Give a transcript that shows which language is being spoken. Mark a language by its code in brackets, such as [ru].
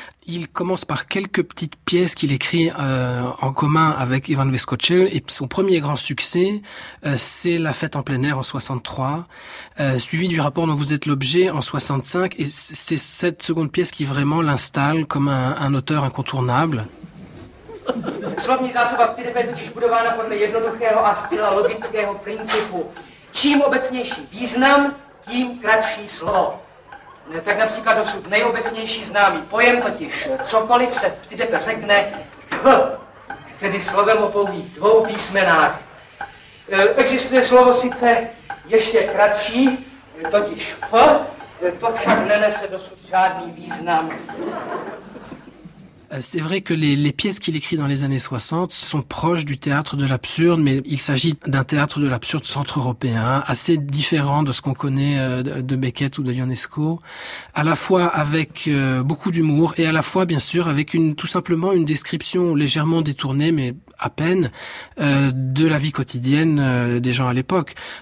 [fr] Il commence par quelques petites pièces qu'il écrit en commun avec Ivan Veskočil. Et son premier grand succès, c'est La fête en plein air en 63, suivi du rapport dont vous êtes l'objet en 65. Et c'est cette seconde pièce qui vraiment l'installe comme un auteur incontournable. [cs] Slovní zásoba Firebe totiž budována podle jednoduchého a zcela logického principu. Čím obecnější význam, tím kratší slovo. Tak například dosud nejobecnější známý pojem, totiž cokoliv se Ptidepe řekne kh, tedy slovem o pouhých 2 písmenách. Existuje slovo sice ještě kratší, totiž f, to však nenese dosud žádný význam. [fr] C'est vrai que les pièces qu'il écrit dans les années 60 sont proches du théâtre de l'absurde, mais il s'agit d'un théâtre de l'absurde centre-européen, assez différent de ce qu'on connaît de Beckett ou de Ionesco, à la fois avec beaucoup d'humour et à la fois, bien sûr, avec une description légèrement détournée, mais à peine, de la vie quotidienne des gens à l'époque.